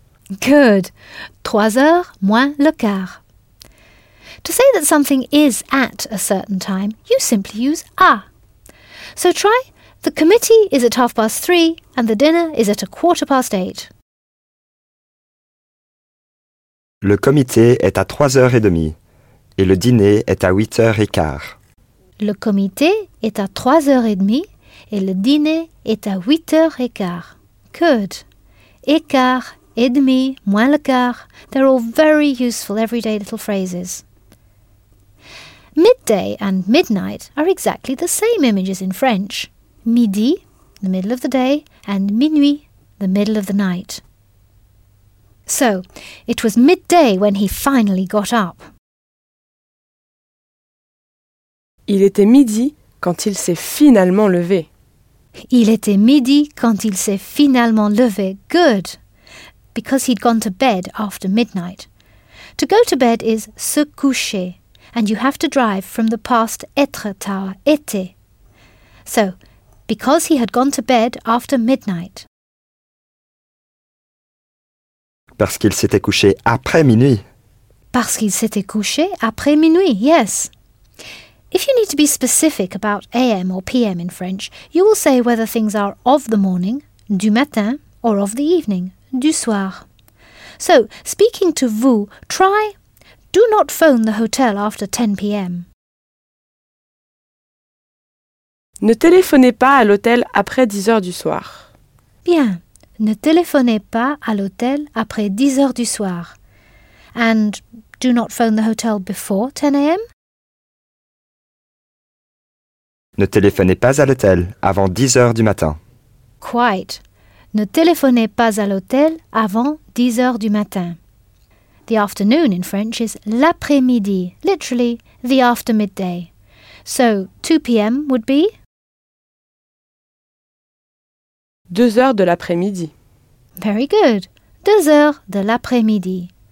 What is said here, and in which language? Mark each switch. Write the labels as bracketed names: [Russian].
[English] Good. [French] 3 heures moins le quart. [English] To say that something is at a certain time, you simply use à. So try, the committee is at 3:30 and the dinner is at 8:15. [French] Le comité est à 3 heures et demie et le dîner est à 8 heures et quart. Le comité est à 3 heures et demie et le dîner est à 8 heures et quart. [English] Good. [French] Écart, et demi, moins le quart, [English] they're all very useful everyday little phrases. Midday and midnight are exactly the same images in French. Midi, the middle of the day, and minuit, the middle of the night. So, it was midday when he finally got up. [French] Il était midi quand il s'est finalement levé. Il était midi quand il s'est finalement levé. [English] Good! Because he'd gone to bed after midnight. To go to bed is se coucher. And you have to drive from the past être tard, été. So, because he had gone to bed after midnight. [French] Parce qu'il s'était couché après minuit. Parce qu'il s'était couché après minuit, [English] yes. If you need to be specific about AM or PM in French, you will say whether things are of the morning, du matin, or of the evening, du soir. So, speaking to vous, try... Do not phone the hotel after 10 p.m. [French] Ne téléphonez pas à l'hôtel après 10 heures du soir. Bien. Ne téléphonez pas à l'hôtel après 10 heures du soir. [English] And do not phone the hotel before 10 a.m. [French] Ne téléphonez pas à l'hôtel avant 10 heures du matin. [English] Quite. [French] Ne téléphonez pas à l'hôtel avant 10 heures du matin. [English] The afternoon in French is l'après-midi, literally the after midday. So 2 p.m. would be [French] 2 heures de l'après-midi. [English] Very good. [French] 2 heures de l'après-midi.